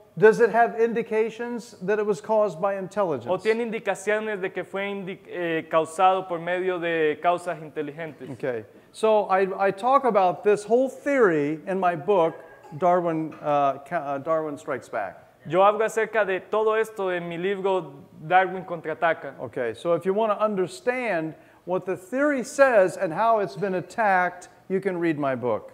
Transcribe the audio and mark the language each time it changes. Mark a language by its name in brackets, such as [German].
[English] Does it have indications that it was caused by intelligence? [Spanish] O tiene indicaciones de que fue causado por medio de causas inteligentes. [English] Okay. So I talk about this whole theory in my book, Darwin Strikes Back. [Spanish] Yo hablo acerca de todo esto en mi libro Darwin Contraataca. [English] Okay. So if you want to understand what the theory says and how it's been attacked, you can read my book.